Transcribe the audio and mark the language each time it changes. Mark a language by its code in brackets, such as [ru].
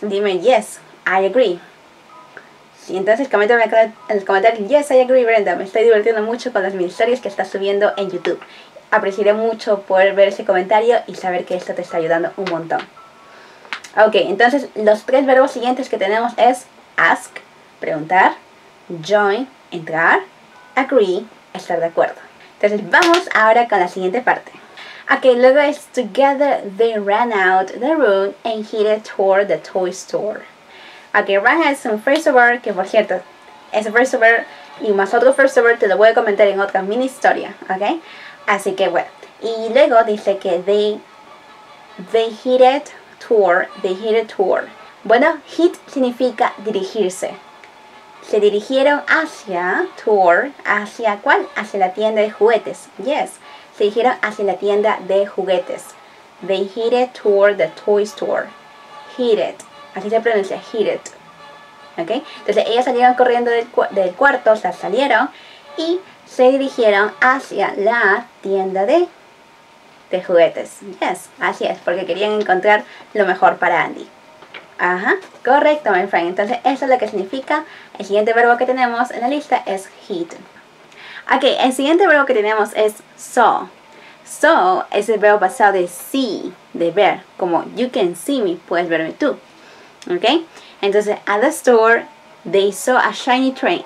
[es] Dime [en] yes, I agree. [es] Sí, entonces coméntame acá en el comentario, yes, I agree, Brenda. Me estoy divirtiendo mucho con las mini historias que estás subiendo en YouTube. apreciaré mucho poder ver ese comentario y saber que esto te está ayudando un montón. Ok, entonces los tres verbos siguientes que tenemos es ask, preguntar, join, entrar, agree, estar de acuerdo. Entonces vamos ahora con la siguiente parte. Ok, luego es [en] together they ran out the room and headed toward the toy store. [es] Ok, run es un first over que por cierto, es un first over y más otro first over te lo voy a comentar en otra mini historia, ok? Así que bueno, y luego dice que they headed toward. Bueno, head significa dirigirse. Se dirigieron hacia toward, ¿hacia cuál? Hacia la tienda de juguetes. Yes, se dirigieron hacia la tienda de juguetes. [en] They headed toward the toy store. [es] Headed, así se pronuncia, headed. Okay, entonces ellos salieron corriendo del cuarto, o sea, salieron y se dirigieron hacia la tienda de juguetes. Yes, así es, porque querían encontrar lo mejor para Andy. Ajá, correcto, [en] my friend. [es] Entonces, eso es lo que significa. El siguiente verbo que tenemos en la lista es hit. Ok, el siguiente verbo que tenemos es saw. Saw es el verbo pasado de see, de ver. Como [en] you can see me, [es] puedes verme tú. [en] Ok, [es] entonces, [en] at the store, they saw a shiny train.